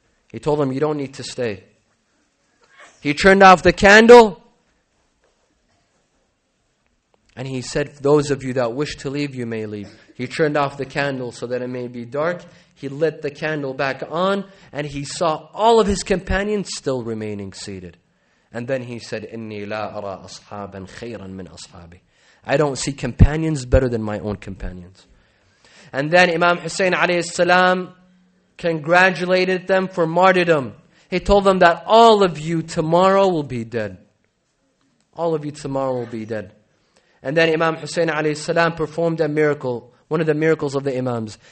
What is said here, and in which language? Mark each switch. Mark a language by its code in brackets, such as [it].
[en] He told them, you don't need to stay. He turned off the candle. And he said, those of you that wish to leave, you may leave. He turned off the candle so that it may be dark. He lit the candle back on. And he saw all of his companions still remaining seated. And then he said, [ar] إِنِّي لَا أَرَى أَصْحَابًا خَيْرًا مِنْ أَصْحَابِي. [en] I don't see companions better than my own companions. And then Imam Hussein alayhi salam congratulated them for martyrdom. He told them that all of you tomorrow will be dead. All of you tomorrow will be dead. And then Imam Hussein alayhi salam performed a miracle, one of the miracles of the Imams.